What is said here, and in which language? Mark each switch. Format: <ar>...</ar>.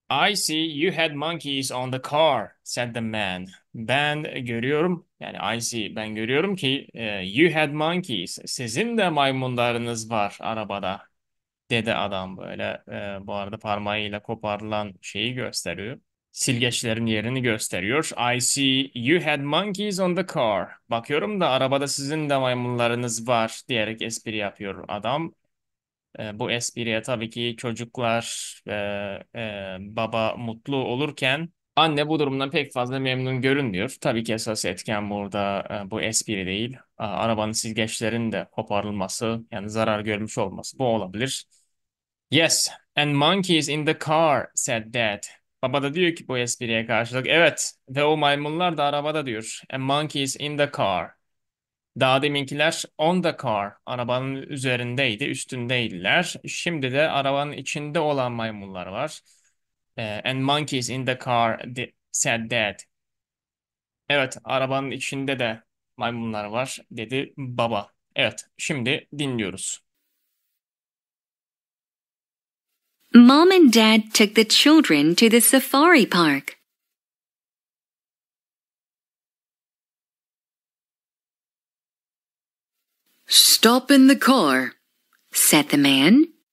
<en>I see you had monkeys on the car, said the man.</en> <tr>Ben görüyorum, yani</tr> <en>I see,</en> <tr>ben görüyorum ki</tr> <en>you had monkeys.</en> <tr>Sizin de maymunlarınız var arabada, dedi adam böyle. Bu arada parmağıyla koparılan şeyi gösteriyor. Silgeçlerin yerini gösteriyor.</tr> <en>I see you had monkeys on the car.</en> <tr>Bakıyorum da arabada sizin de maymunlarınız var, diyerek espri yapıyor adam. Bu espriye tabii ki çocuklar ve baba mutlu olurken anne bu durumdan pek fazla memnun görünmüyor. Tabii ki esas etken burada bu espri değil. Arabanın silgeçlerinin de koparılması, yani zarar görmüş olması, bu olabilir.</tr> <en>Yes, and monkeys in the car, said dad.</en> <tr>Baba da diyor ki bu espriye karşılık, evet ve o maymunlar da arabada diyor.</tr> <en>And monkeys in the car.</en> <tr>Daha deminkiler</tr> <en>on the car,</en> <tr>arabanın üzerindeydi, üstündeydiler. Şimdi de arabanın içinde olan maymunlar var.</tr> <en>And monkeys in the car, said dad.</en> <tr>Evet, arabanın içinde de maymunlar var, dedi baba. Evet, şimdi dinliyoruz.</tr> <en>Mom and Dad took the children to the safari park. Stop in the car, said the man,</en>